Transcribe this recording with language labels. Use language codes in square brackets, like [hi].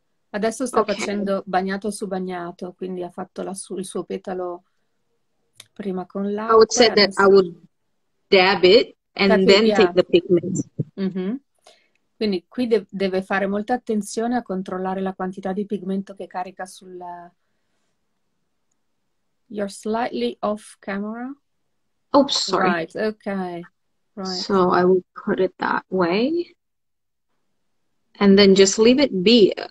[it] Adesso sta facendo bagnato su bagnato, quindi ha fatto il suo petalo prima con l'acqua. [en] I would say that I would dab it and then take the pigment. [it] Quindi qui deve fare molta attenzione a controllare la quantità di pigmento che carica sul... [en] You're slightly off camera. Oops, sorry. Right, okay. Right. So I will put it that way. And then just leave it be.